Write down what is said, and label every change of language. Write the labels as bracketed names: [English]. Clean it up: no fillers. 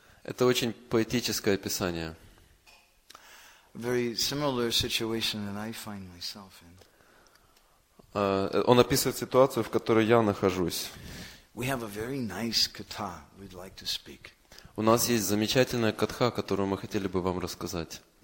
[Russian] Это очень поэтическое описание. [English] Very similar situation that I find myself in. [Russian] Он описывает ситуацию, в которой я нахожусь. [English] We have a very nice katha we'd like to speak. [Russian] У нас есть замечательная катха, которую мы хотели бы вам рассказать.